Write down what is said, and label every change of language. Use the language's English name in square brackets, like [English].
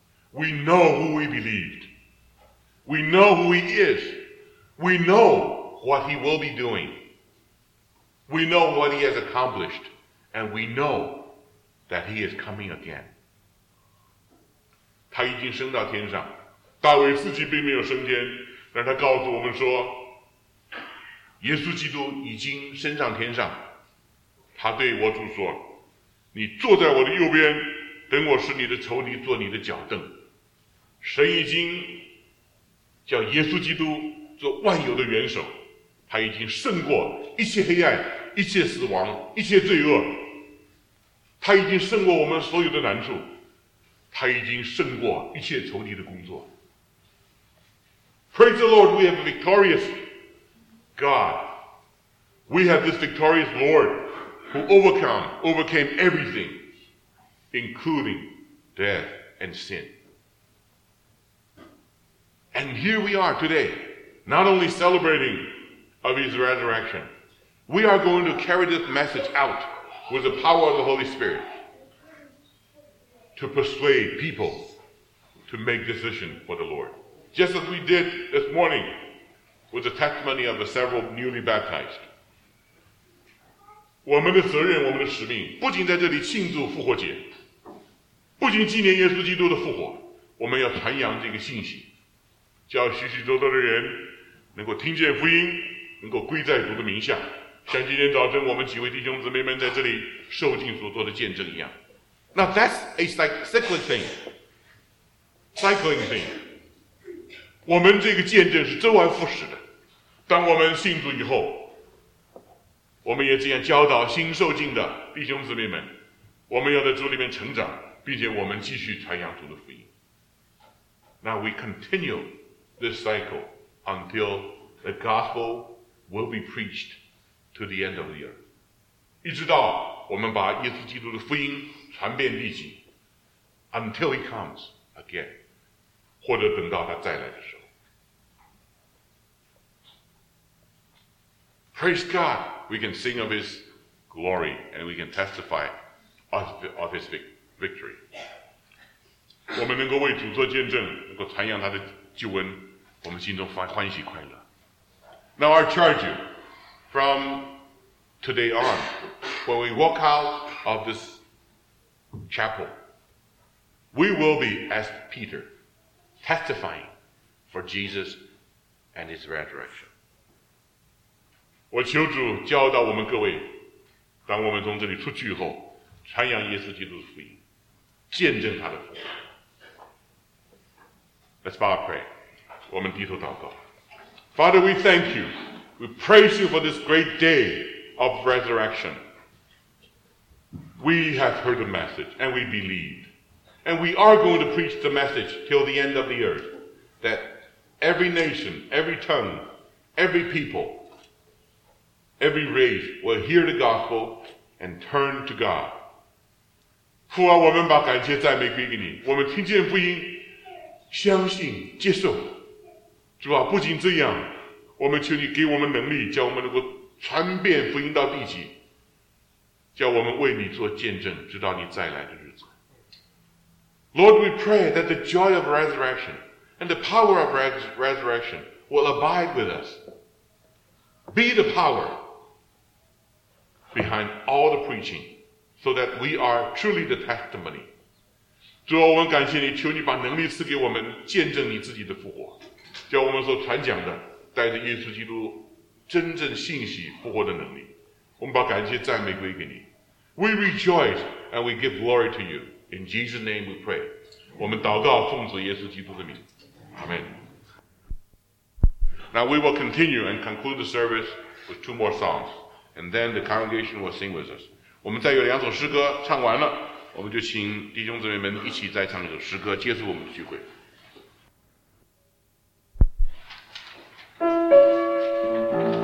[English] We know who we believed, we know who he is, we knowWhat he will be doing. We know what he has accomplished, and we know that he is coming again. [Chinese] 他已经升到天上，大卫自己并没有升天，但他告诉我们说，耶稣基督已经升上天上。他对我主说，你坐在我的右边，等我使你的仇敌坐你的脚凳。神已经叫耶稣基督做万有的元首，他已经胜过一切黑暗、一切死亡、一切罪恶，他已经胜过我们所有的难处，他已经胜过一切仇敌的工作。 [English] Praise the Lord, we have a victorious God. We have this victorious Lord who overcame everything, including death and sin. And here we are today, not only celebratingOf his resurrection. We are going to carry this message out with the power of the Holy Spirit to persuade people to make decision for the Lord. Just as we did this morning with the testimony of the several newly baptized. [Chinese] 我们的责任，我们的使命，不仅在这里庆祝复活节，不仅纪念耶稣基督的复活，我们要传扬这个信息，叫许许多多的人能够听见福音，能够归在主的名下，像今天早晨我们几位弟兄姊妹们在这里受尽所做的见证一样。 [English] Now that's a cyclic thing. Cycling thing. [Chinese] 我们这个见证是周而复始的。当我们信主以后，我们也这样教导新受浸的弟兄姊妹们，我们要在主里面成长，并且我们继续传扬主的福音。 [English] Now we continue this cycle until the gospel will be preached to the end of the earth. [Chinese] 一直到我们把耶稣基督的福音传遍地极 [English] ，until he comes again， [Chinese] 或者等到他再来的时候。 [English] Praise God, we can sing of His glory and we can testify of His victory. [Chinese] 我们能够为主做见证，能够传扬他的救恩，我们心中欢喜快乐。 [English] Now I charge you, from today on, when we walk out of this chapel, we will be as Peter, testifying for Jesus and His resurrection. [Chinese] 我求主教导我们各位，当我们从这里出去以后，传扬耶稣基督的福音，见证他的福音。 [English] Let's bow and pray. [Chinese] 我们低头祷告。 [English] Father, we thank you. We praise you for this great day of resurrection. We have heard the message and we believe. And we are going to preach the message till the end of the earth that every nation, every tongue, every peopleEvery race will hear the gospel and turn to God. [Chinese] 父啊，我们把感谢赞美归给你。我们听见福音，相信接受。主啊，不仅这样，我们求你给我们能力，叫我们能够传遍福音到地极，叫我们为你做见证，直到你再来的日子。 [English] Lord, we pray that the joy of resurrection and the power of resurrection will abide with us. Be the power behind all the preaching, so that we are truly the testimony. [Chinese] 主啊，我们感谢你，求你把能力赐给我们，见证你自己的复活，叫我们所传讲的带着耶稣基督真正信息复活的能力。我们把感谢赞美归给你。 [English] We rejoice and we give glory to you. In Jesus' name we pray. [Chinese] 我们祷告奉主耶稣基督的名。 [English] Amen. Now we will continue and conclude the service with two more songs, and then the congregation will sing with us. [Chinese] 我们再有两首诗歌唱完了，我们就请弟兄姊妹们一起再唱一首诗歌，结束我们的聚会。